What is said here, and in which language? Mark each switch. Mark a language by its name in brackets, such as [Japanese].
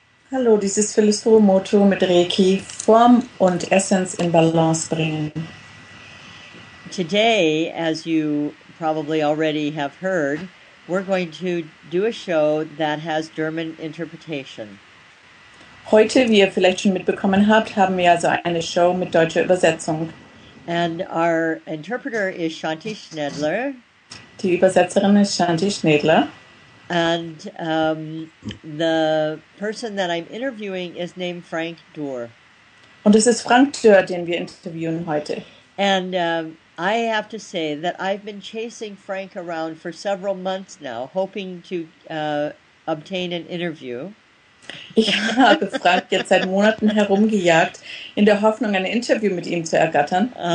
[English] Hello, this is Phyllis Furumoto with Reiki, Form and Essence in Balance Bringen. Today, as you probably already have heard, we're going to do a show that has German interpretation. [German] Heute, wie ihr vielleicht schon mitbekommen habt, haben wir also eine Show mit deutscher Übersetzung. [English] And our interpreter is Shanti Schnedler. [German] Die Übersetzerin ist Shanti Schnedler. [English] And the person that I'm interviewing is named Frank Dürr. [German] Und es ist Frank Dürr, den wir interviewen heute. [English] And I have to say that I've been chasing Frank around for several months now, hoping to obtain an interview. [German] Ich habe Frank jetzt seit Monaten herumgejagt, in der Hoffnung, ein Interview mit ihm zu ergattern.